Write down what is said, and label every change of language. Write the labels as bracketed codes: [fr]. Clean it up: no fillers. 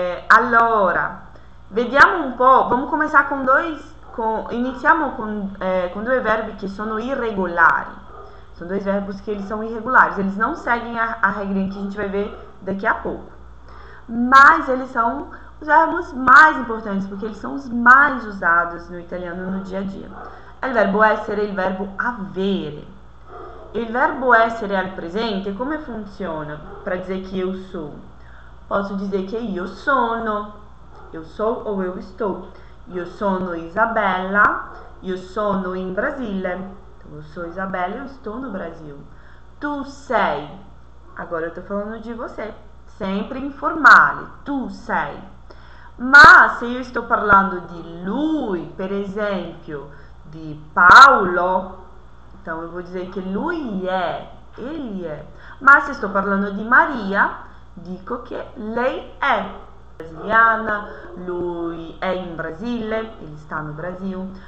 [it] Allora, vediamo un po', [pt] vamos começar com dois, [it] iniziamo com dois verbos que sono irregolari. [pt] São dois verbos que eles são irregulares, eles não seguem a regrinha que a gente vai ver daqui a pouco. Mas eles são os verbos mais importantes, porque eles são os mais usados no italiano no dia a dia. É o verbo essere e o verbo avere. [it] Il verbo essere al presente, come funziona [pt] para dizer que eu sou? Posso dizer que [it] io sono. [pt] Eu sou ou eu estou. [it] Io sono Isabella. Io sono in Brasile. [pt] Então, eu sou Isabella e estou no Brasil. [it] Tu sei. [pt] Agora eu estou falando de você. [it] Sempre informale. Tu sei. Ma se io sto parlando di lui, per esempio, di Paolo, [pt] então eu vou dizer [it] che lui è, [pt] ele è. [it] Ma se sto parlando di Maria, dico che lei è brasiliana, lui è in Brasile, [pt] ele sta no Brasil.